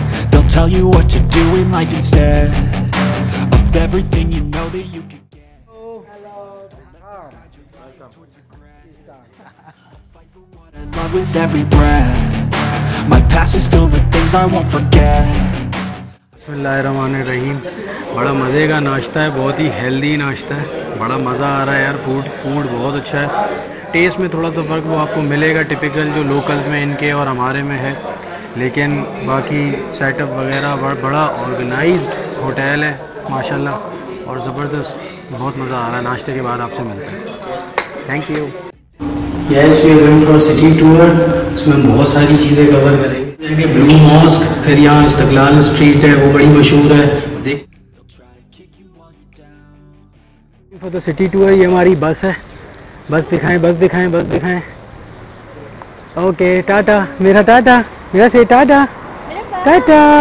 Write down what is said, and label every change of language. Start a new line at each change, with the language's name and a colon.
English: They'll tell you what to do in life instead of everything you know that you can get. Fight for what I love with every breath. My past is filled with things I won't forget.
Arabic: बिस्मिल्लाहिर्रहमानिर्रहीम।
Hindi: बड़ा मज़े का नाश्ता है, बहुत ही healthy नाश्ता है, बड़ा मज़ा आ रहा है यार। फूड बहुत अच्छा है। टेस्ट में थोड़ा सा फ़र्क वो आपको मिलेगा, टिपिकल जो लोकल्स में इनके और हमारे में है, लेकिन बाकी सेटअप वगैरह बड़ा ऑर्गेनाइज्ड होटल है माशाल्लाह, और ज़बरदस्त बहुत मज़ा आ रहा है। नाश्ते के बाद आपसे मिलते हैं।
English: Thank you. Yes, we are going for a city tour.
Hindi: उसमें बहुत सारी चीज़ें कवर करेंगे। ब्लू मॉस्क, फिर यहाँ इस्तिक्लाल स्ट्रीट है, वो बड़ी मशहूर है। देख
English: for the city tour,
Hindi: ये हमारी बस है। बस दिखाएं। ओके टाटा, मेरा टाटा, मेरा से टाटा, टाटा।